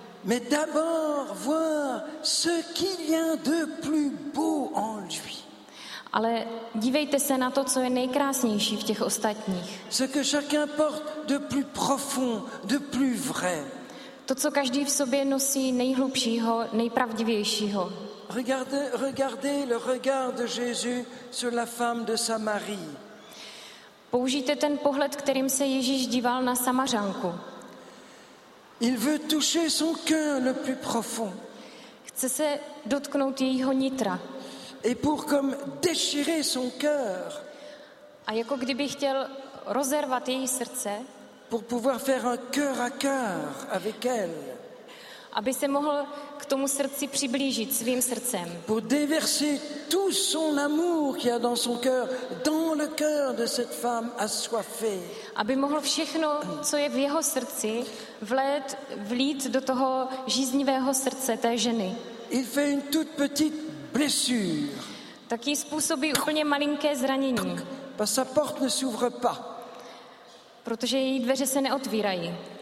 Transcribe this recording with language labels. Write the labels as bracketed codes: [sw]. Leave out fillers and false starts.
[fr] Mais d'abord voir ce qu'il y a de plus beau en lui. [cs] Ale dívejte se na to, co je nejkrásnější v těch ostatních. [fr] Ce que chacun porte de plus profond, de plus vrai. [cs] To, co každý v sobě nosí nejhlubšího, nejpravdivějšího. [fr] Regardez le regard de Jésus sur la femme de Samarie. [cs] Použijte ten pohled, kterým se Ježíš díval na Samařanku. [fr] Il veut toucher son cœur le plus profond. [cs] Chce se dotknout jejího nitra. [fr] Et pour comme déchirer son cœur. [cs] A jako kdyby chtěl rozervat její srdce. [fr] Pour pouvoir faire un cœur à cœur avec elle. [cs] Aby se mohl k tomu srdci přiblížit svým srdcem. [fr] Pour déverser tout son amour qu'il y a dans son cœur dans le cœur de cette femme assoiffée. [cs] Aby mohl všechno, co je v jeho srdci, vlít do toho žíznivého srdce té ženy. [fr] Il fait une toute petite blessure. [cs] Tak jí způsobí úplně malinké zranění. [fr] Parce que sa porte ne s'ouvre pas. [cs] Protože její dveře se neotvírají.